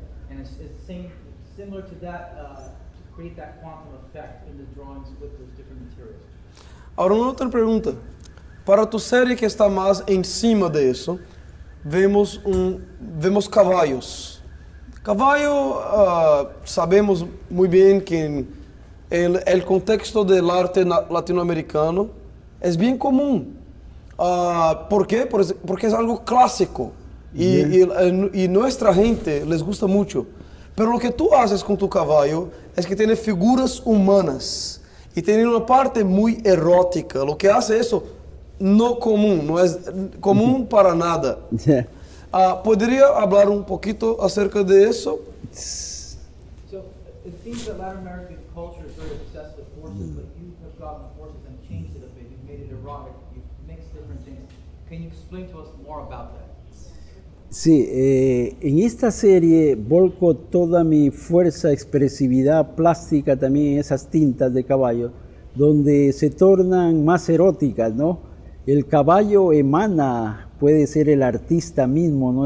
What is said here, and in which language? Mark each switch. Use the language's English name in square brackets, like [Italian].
[English] And it's similar to that, to create that quantum effect in the drawings with those different materials. [Spanish] Ahora, una otra pregunta. Para tu serie que está más encima de eso, vemos caballos. Cavallo, sabemos muy bien que el contexto del arte latinoamericano es bien común. ¿Por qué? Porque es algo clásico y nuestra gente les gusta mucho. Pero lo que tú haces con tu caballo es que tiene figuras humanas y tiene una parte muy erótica. Lo que hace eso no común, no es común para nada. ¿Podría hablar un poquito acerca de eso? [English] So, it seems that Latin American culture is very obsessed with horses, but you have gotten the horses and changed it a bit. You've made it erotic. You've mixed different things. Can you explain to us more about that? [Spanish] Sí, en esta serie volco toda mi fuerza, expresividad plástica también en esas tintas de caballo, donde se tornan más eróticas, ¿no? El caballo emana, puede ser el artista mismo, ¿no?